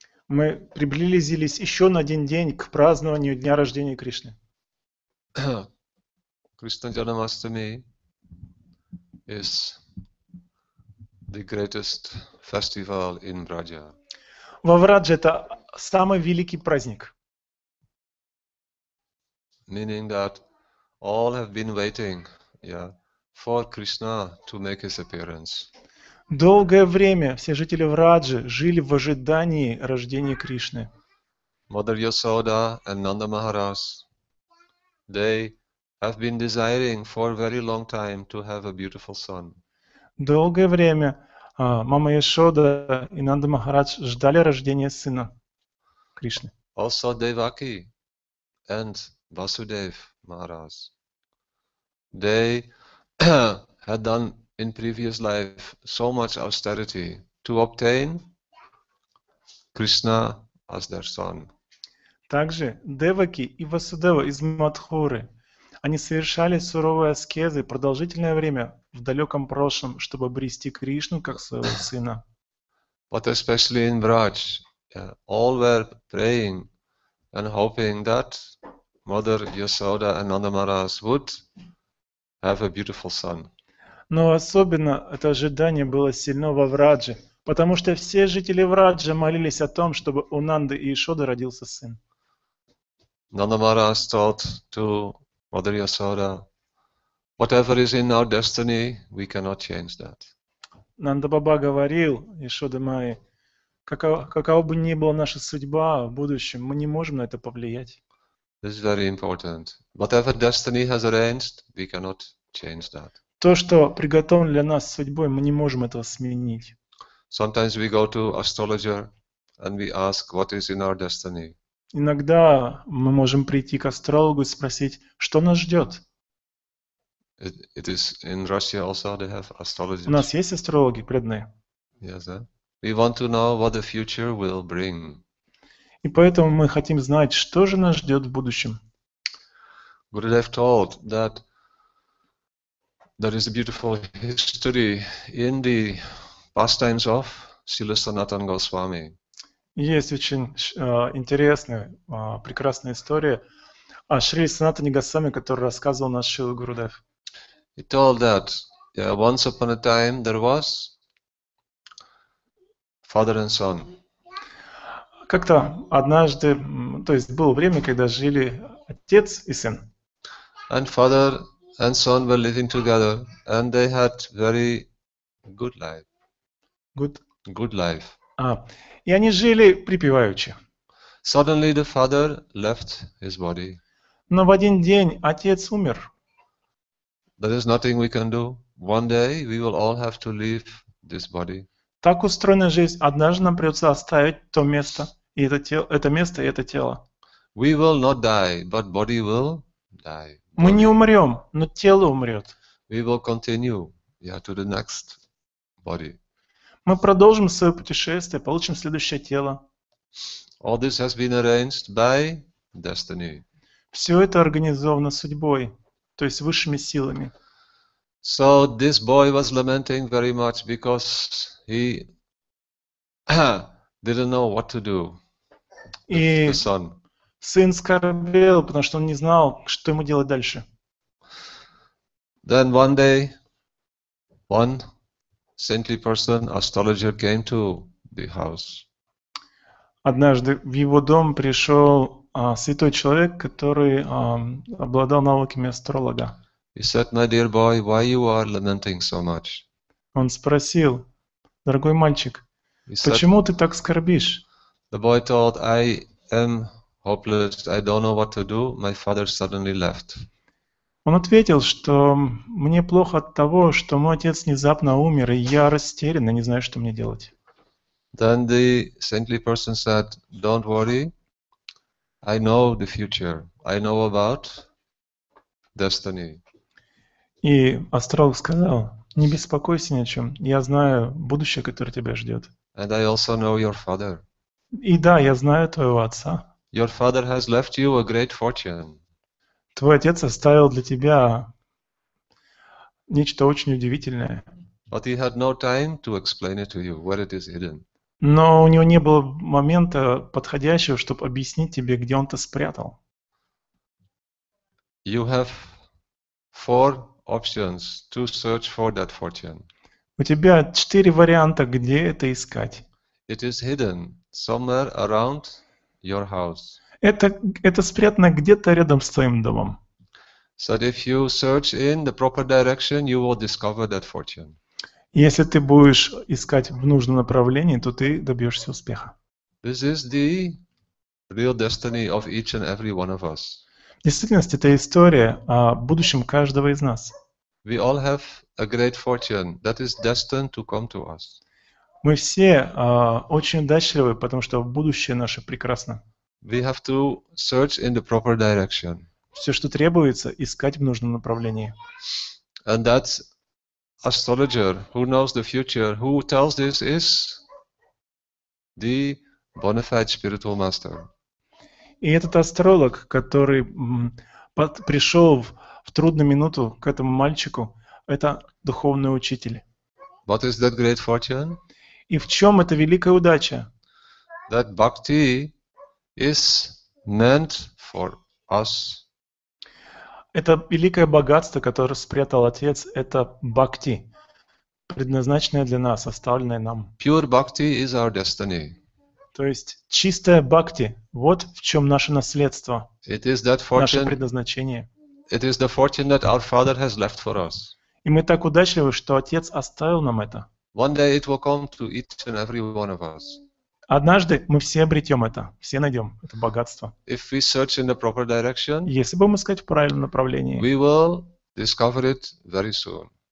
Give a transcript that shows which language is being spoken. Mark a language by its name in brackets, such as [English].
[Russian] Мы приблизились еще на один день к празднованию дня рождения Кришны. [English] Krishna Janmashtami is the greatest festival in Vraja. [Russian] Во Врадже это самый великий праздник. [English] Meaning that all have been waiting, yeah, for Krishna to make his appearance. [Russian] Долгое время все жители Враджи жили в ожидании рождения Кришны. [English] Mother Yasoda and Nanda Maharaj, they have been desiring for a very long time to have a beautiful son. [Russian] Долгое время мама Яшода и Нанда Махарадж ждали рождения сына Кришны. [English] Also Devaki and Vasudev Maharaj, they had done in previous life so much austerity to obtain Krishna as their son. [Russian] Также Деваки и Васудева из Матхуры, они совершали суровые аскезы продолжительное время в далеком прошлом, чтобы обрести Кришну как своего сына. [English] But especially in Braj, all were praying and hoping that Mother Yasoda and Nanda Maharaj would have a beautiful son. [Russian] Но особенно это ожидание было сильно во Врадже, потому что все жители Враджа молились о том, чтобы у Нанды и Ишоды родился сын. [English] Nanda Maharaj told to Mother Yasoda, whatever is in our destiny, we cannot change that. [Russian] Нанда Баба говорил Ишоде Майе, какова бы ни была наша судьба в будущем, мы не можем на это повлиять. [English] This is very important. Whatever destiny has arranged, we cannot change that. [Russian] То, что приготовлено для нас судьбой, мы не можем этого сменить. [English] Sometimes we go to astrologer and we ask what is in our destiny. [Russian] Иногда мы можем прийти к астрологу и спросить, что нас ждет. [English] It is in Russia also they have astrologers. [Russian] У нас есть астрологи преданные. [English] Yes, eh? We want to know what the future will bring. [Russian] И поэтому мы хотим знать, что же нас ждет в будущем. [English] Gurudev told that there is a beautiful history in the pastimes of Srila Sanatana Goswami. [Russian] Есть очень интересная, прекрасная история о Шри Санатане Госвами, который рассказывал наш Шрила Гурудев. [English] He told that, yeah, once upon a time there was father and son. [Russian] Как-то однажды, то есть было время, когда жили отец и сын. [English] And father and son were living together, and they had very good life. Good life. [Russian] И они жили припеваючи. [English] Suddenly the father left his body. [Russian] Но в один день отец умер. [English] There is nothing we can do. One day we will all have to leave this body. [Russian] Так устроена жизнь. Однажды нам придется оставить то место и это тело, это место и это тело. [English] We will not die, but body will die. [Russian] Мы не умрем, но тело умрет. [English] We will continue, yeah, to the next body. [Russian] Мы продолжим свое путешествие, получим следующее тело. [English] All this has been arranged by destiny. [Russian] Все это организовано судьбой, то есть высшими силами. [English] So this boy was lamenting very much because he didn't know what to do. [Russian] И сын скорбел, потому что он не знал, что ему делать дальше. [English] Then one day, one saintly person, astrologer, came to the house. [Russian] Однажды в его дом пришел святой человек, который обладал навыками астролога. [English] He said, "My dear boy, why you are lamenting so much?" [Russian] Он спросил: "Дорогой мальчик, почему ты так скорбишь?" [English] The boy told, "I am hopeless. I don't know what to do. My father suddenly left." [Russian] Он ответил, что мне плохо от того, что мой отец внезапно умер, и я растерян, и не знаю, что мне делать. [English] Then the saintly person said, "Don't worry. I know the future. I know about destiny." [Russian] И астролог сказал: "Не беспокойся ни о чем. Я знаю будущее, которое тебя ждет." [English] And I also know your father. [Russian] И да, я знаю твоего отца. [English] Your father has left you a great fortune. [Russian] Твой отец оставил для тебя нечто очень удивительное. [English] But he had no time to explain it to you, where it is hidden. [Russian] Но у него не было момента подходящего, чтобы объяснить тебе, где он это спрятал. [English] You have four options to search for that fortune. [Russian] У тебя четыре варианта, где это искать. [English] It is hidden somewhere around your house. [Russian] Это спрятано где-то рядом с твоим домом. [English] So if you search in the proper direction, you will discover that fortune. [Russian] Если ты будешь искать в нужном направлении, то ты добьешься успеха. [English] This is the real destiny of each and every one of us. [Russian] В действительности, это история о будущем каждого из нас. [English] We all have a great fortune that is destined to come to us. [Russian] Мы все очень удачливы, потому что будущее наше прекрасно. [English] We have to search in the proper direction. [Russian] Все, что требуется, искать в нужном направлении. [English] And that astrologer who knows the future, who tells this, is the bona fide spiritual master. [Russian] И этот астролог, который пришел в трудную минуту к этому мальчику, это духовный учитель. [English] What is that great fortune? [Russian] И в чем эта великая удача? [English] That bhakti is meant for us. [Russian] Это великое богатство, которое спрятал отец, это бхакти, предназначенное для нас, оставленное нам. [English] Pure bhakti is our destiny. [Russian] То есть чистая бхакти, вот в чем наше наследство, [English] it is that fortune, [Russian] наше предназначение. [English] It is the fortune that our father has left for us. [Russian] И мы так удачливы, что отец оставил нам это. [English] One day it will come to each and every one of us. [Russian] Однажды мы все обретем это, все найдем это богатство. [English] If we search in the proper direction, [Russian] если будем искать в правильном направлении, [English] we will discover it very soon.